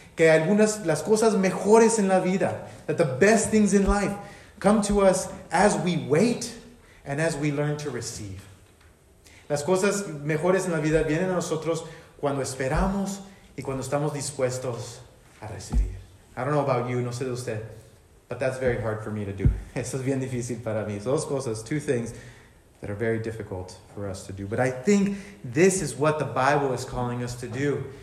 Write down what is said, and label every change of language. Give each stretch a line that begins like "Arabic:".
English: Que algunas, las cosas mejores en la vida, that the best things in life come to us as we wait and as we learn to receive.
Spanish: Las cosas mejores en la vida vienen a nosotros cuando esperamos y cuando estamos dispuestos a recibir.
English: I don't know about you, no sé de usted, but that's very hard for me to do. Eso es bien difícil para mí. Dos cosas, two things that are very difficult for us to do. But I think this is what the Bible is calling us to do.